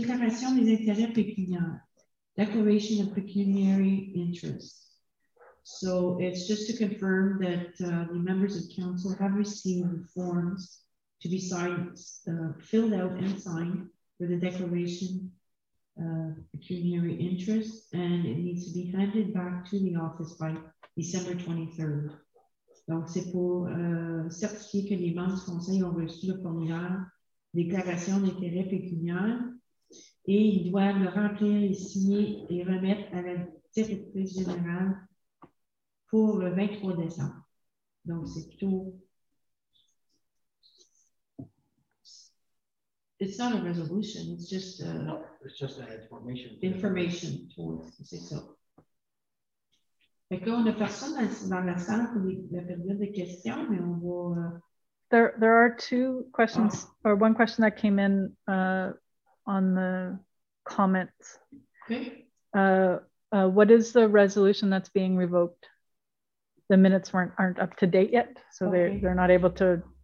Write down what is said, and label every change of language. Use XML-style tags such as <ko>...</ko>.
<fr>Déclaration des intérêts pécuniaires.</fr> <en>Declaration of pecuniary interest. So it's just to confirm that the members of council have received forms to be signed, filled out and signed for the declaration pecuniary interest, and it needs to be handed back to the office by December 23rd.</en> <fr>Donc, c'est pour certifier que les membres du conseil ont reçu le formulaire déclaration d'intérêt pécuniaire et ils doivent le remplir et signer et remettre à la directrice générale pour le 23 décembre. Donc, c'est plutôt.</fr> <en>It's not a resolution, it's just a. No, it's just an information. Information towards,</en> <fr>c'est ça. Fait que là, on n'a personne dans la salle pour la période de questions, mais on va.</fr> <en>There are two questions, or one question that came in on the comments. Okay. What is the resolution that's being revoked? The minutes aren't up to date yet, so okay. they're not able to.</en>